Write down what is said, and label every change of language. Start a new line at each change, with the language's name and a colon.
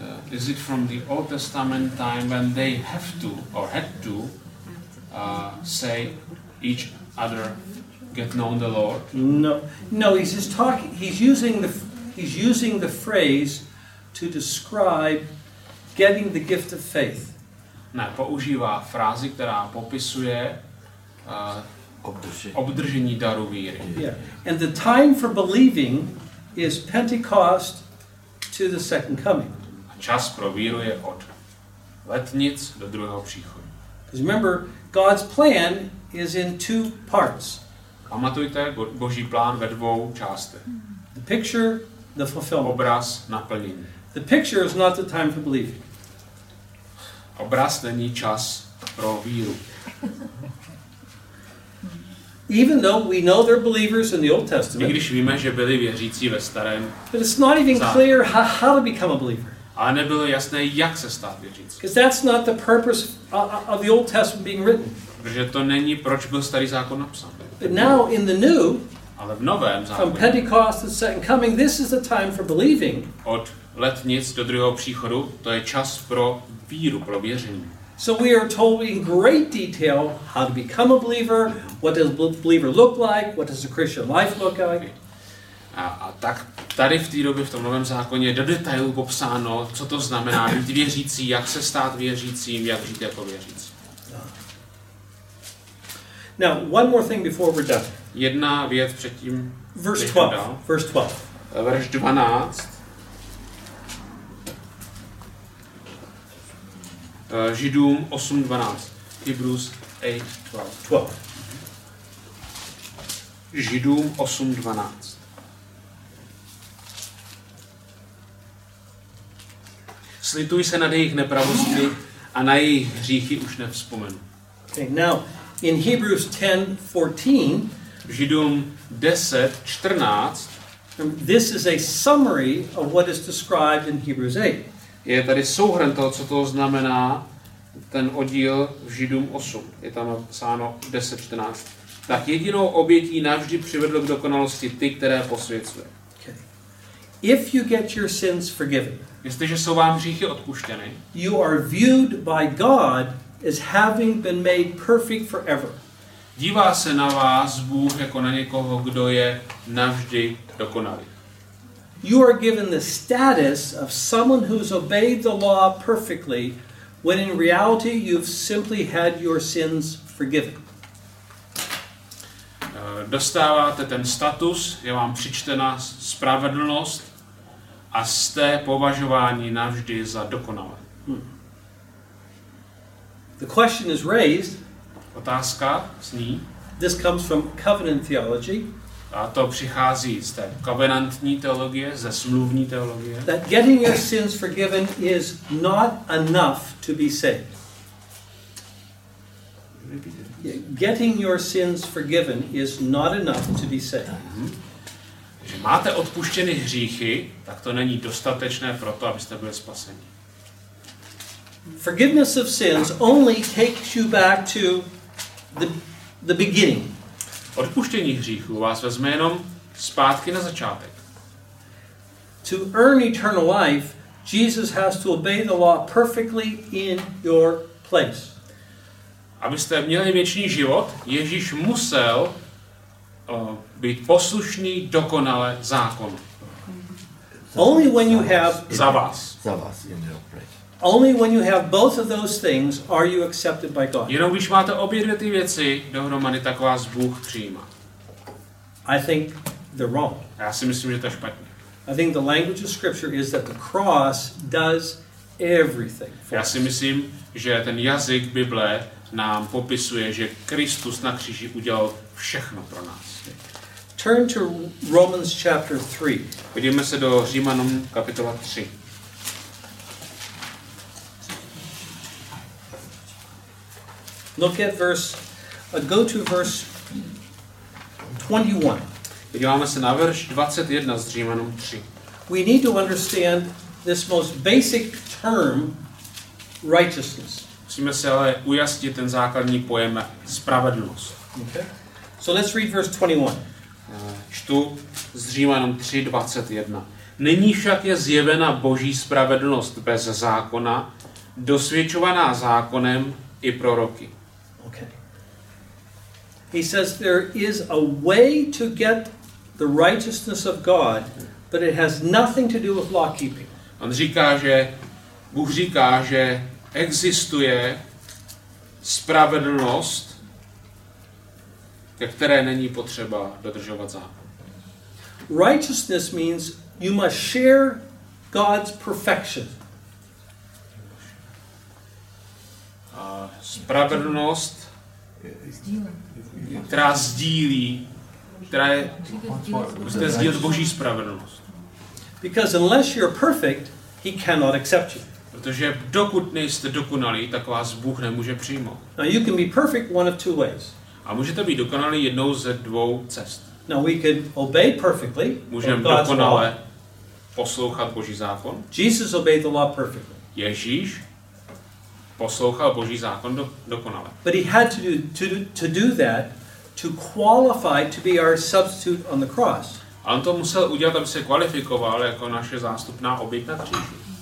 English: Is it from the Old Testament time when they have to or had to say each other, get known the Lord? No, he's just talking. He's using the phrase to describe getting the gift of faith.
Czech: Ne, používá frázi, která popisuje obdržení daru víry.
English: Yeah. And the time for believing is Pentecost to the second coming.
Czech: Čas pro víru je od letnic do druhého příchodu.
English: Because remember, God's plan is in two parts.
Czech: Pamatujte, Boží plán ve dvou částech.
English: The picture, the fulfillment.
Czech: Obraz, naplnění.
English: The picture is not the time for believing.
Czech: Obraz není čas pro víru.
English: Even though we know they're believers in the Old Testament.
Czech: I když víme, že byli věřící ve starém.
English: But it's not even clear how to become a believer.
Czech: A nebylo jasné, jak se stát věřící.
English: Because that's not the purpose of the Old Testament being written.
Czech: Protože to není, proč byl starý zákon napsán.
English: But now in the new,
Czech: ale v novém zákoně,
English: from Pentecost to the second coming, this is the time for believing.
Czech: Od letnic do druhého příchodu, to je čas pro víru, pro věření.
English: So we are told in great detail how to become a believer, what does a believer look like, what does a Christian life look like.
Czech: A tak tady v té době v tom novém zákoně do detailu popsáno, co to znamená být věřící, jak se stát věřícím, jak žít jako věřící.
English: Now, one more thing before we're done.
Czech: Jedna věc předtím.
English: Verse 12. Verse 12.
Czech: Verš 12. Židům 8:12. Hebrews
English: 8:12.
Czech: Židům 8:12. Slituj se nad jejich nepravosti a na jejich hříchy už nevzpomenu.
English: Okay, now, in Hebrews 10:14,
Czech: Židům 10:14,
English: this is a summary of what is described in Hebrews 8.
Czech: Je tady souhrn toho, co to znamená, ten oddíl v Židům 8. Je tam psáno 10:14. Tak jedinou obětí navždy přivedl k dokonalosti ty, které posvěcuje.
English: If you get your sins forgiven,
Czech: jestliže jsou vám hříchy odpuštěny,
English: you are viewed by God as having been made perfect forever.
Czech: Dívá se na vás Bůh jako na někoho, kdo je navždy dokonalý.
English: You are given the status of someone who's obeyed the law perfectly, when in reality you've simply had your sins forgiven.
Czech: Dostáváte ten status, je vám přičtena spravedlnost a jste považováni navždy za dokonalé.
English: The question is raised.
Czech: Otázka zní.
English: This comes from covenant theology.
Czech: A to přichází z té covenantní teologie, ze smluvní teologie.
English: That getting your sins forgiven is not enough to be saved. Getting your sins forgiven is not enough to be saved.
Czech: Že máte odpuštěny hříchy, tak to není dostatečné pro to, abyste byli spaseni.
English: Forgiveness of sins only takes you back to the beginning.
Czech: Odpuštění hříchů vás vezme jenom zpátky na začátek.
English: To earn eternal life, Jesus has to obey the law perfectly in your place.
Czech: Abyste měli věčný život, Ježíš musel být poslušný dokonale zákonu.
English: Only when you have
Czech: za vás.
English: Only when you have both of those things are you accepted by God.
Czech: Jenom když máte obě dvě ty věci dohromady, tak vás Bůh přijímá.
English: I think they're wrong.
Czech: Já si myslím, že to je špatně.
English: I think the language of scripture is that the cross does everything.
Czech: Já si myslím, že ten jazyk Bible nám popisuje, že Kristus na kříži udělal všechno pro nás.
English: Turn to Romans chapter 3.
Czech: Podívejme se do Římanům kapitola 3.
English: Look at verse 21.
Czech: Podíváme se na verš 21 z Římanům 3.
English: We need to understand this most basic term, righteousness.
Czech: Musíme se ale ujasnit ten základní pojem spravedlnost.
English: Okay. So let's read verse 21.
Czech: Čtu z Římanům 3:21. Nyní však je zjevena Boží spravedlnost bez zákona, dosvědčovaná zákonem i proroky.
English: Okay. He says there is a way to get the righteousness of God, but it has nothing to do with law keeping.
Czech: On říká, že Bůh říká, že existuje spravedlnost, ke které není potřeba dodržovat zákon.
English: Righteousness means you must share God's perfection.
Czech: A spravedlnost, která sdílí, která je sdílet Boží spravedlnost.
English: Because unless you're perfect, he cannot accept you.
Czech: Protože dokud nejste dokonalí, tak vás Bůh nemůže přijmout.
English: Now you can be perfect one of two ways.
Czech: A můžete být dokonalí jednou ze dvou cest.
English: Now we can obey perfectly.
Czech: Můžeme dokonale poslouchat Boží zákon.
English: Jesus obeyed the law perfectly.
Czech: Ježíš poslouchal Boží zákon dokonale.
English: But he had to do that to qualify to be our substitute on the cross.
Czech: A on to musel udělat, aby se kvalifikoval jako naše zástupná oběť na kříži.